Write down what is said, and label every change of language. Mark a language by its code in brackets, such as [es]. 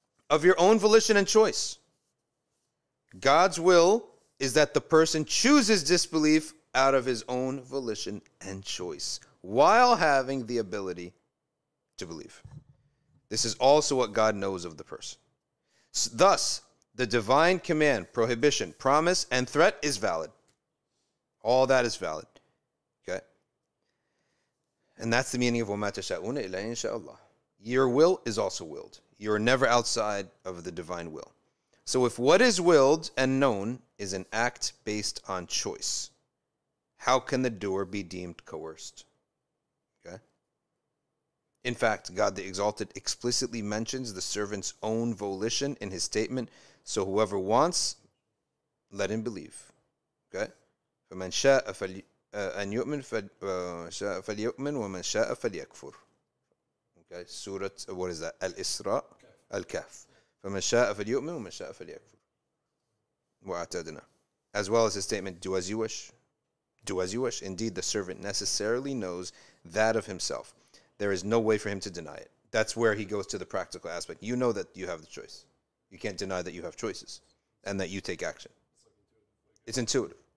[en] Of your own volition and choice. God's will is that the person chooses disbelief out of his own volition and choice while having the ability to believe. This is also what God knows of the person. Thus, the divine command, prohibition, promise, and threat is valid. All that is valid. Okay? And that's the meaning of [ar] وَمَا تَشَاءُونَ إِلَّا إِنْ شَاءَ اللَّهُ. [en] Your will is also willed. You're never outside of the divine will. So if what is willed and known is an act based on choice, how can the doer be deemed coerced? In fact, God the Exalted explicitly mentions the servant's own volition in his statement, so whoever wants, let him believe. Okay. [ar] فمن شاء أن يؤمن شاء فليؤمن ومن شاء فليكفر. [en] Okay. سورة what is that? [ar] الإسراء الكهف. فمن شاء فليؤمن ومن شاء فليكفر. وأعتدنا. [en] As well as his statement, do as you wish. Do as you wish. Indeed, the servant necessarily knows that of himself. There is no way for him to deny it. That's where he goes to the practical aspect. You know that you have the choice. You can't deny that you have choices and that you take action. It's intuitive.